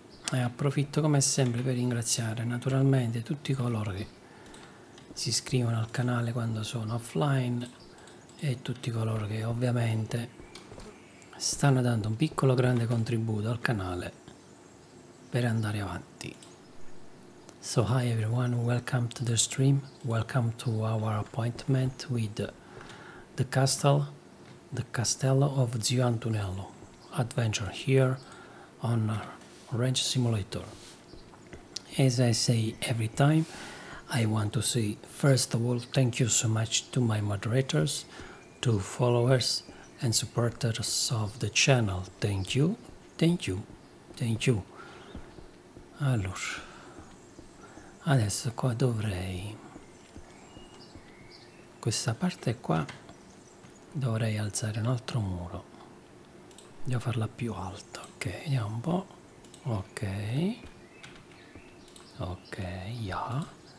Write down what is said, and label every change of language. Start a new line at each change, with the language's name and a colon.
Italian: E approfitto come sempre per ringraziare naturalmente tutti coloro che si iscrivono al canale quando sono offline e tutti coloro che ovviamente stanno dando un piccolo grande contributo al canale per andare avanti.
English: So hi everyone, welcome to the stream, welcome to our appointment with the castle, the castello of Zio Antonello adventure here on Ranch Simulator. As I say every time, I want to say, first of all, thank you so much to my moderators, to followers and supporters of the channel. Thank you, thank you, thank you.
Italian: Allora, adesso qua dovrei, questa parte qua dovrei alzare un altro muro. Devo farla più alta, ok, vediamo un po'. Ok, ok, yeah.